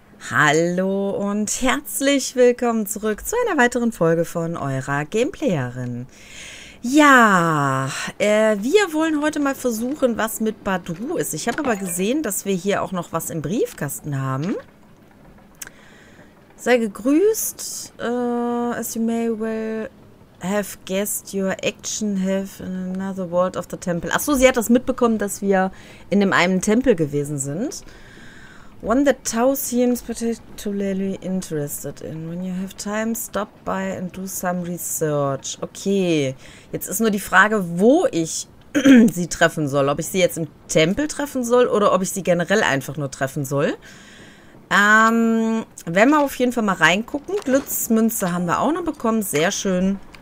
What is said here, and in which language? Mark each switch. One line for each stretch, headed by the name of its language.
German: Hallo und herzlich willkommen zurück zu einer weiteren Folge von eurer Gameplayerin. Ja, wir wollen heute mal versuchen, was mit Badru ist. Ich habe aber gesehen, dass wir hier auch noch was im Briefkasten haben. Sei gegrüßt.
English: As you may well have guessed, your action have in another world of the temple.
German: Achso, sie hat das mitbekommen, dass wir in dem einen Tempel gewesen sind.
English: One that Tau seems particularly interested in. When you have time, stop by and do some research.
German: Okay, jetzt ist nur die Frage, wo ich sie treffen soll. Ob ich sie jetzt im Tempel treffen soll oder ob ich sie generell einfach nur treffen soll. Werden wir auf jeden Fall mal reingucken. Glitzmünze haben wir auch noch bekommen. Sehr schön.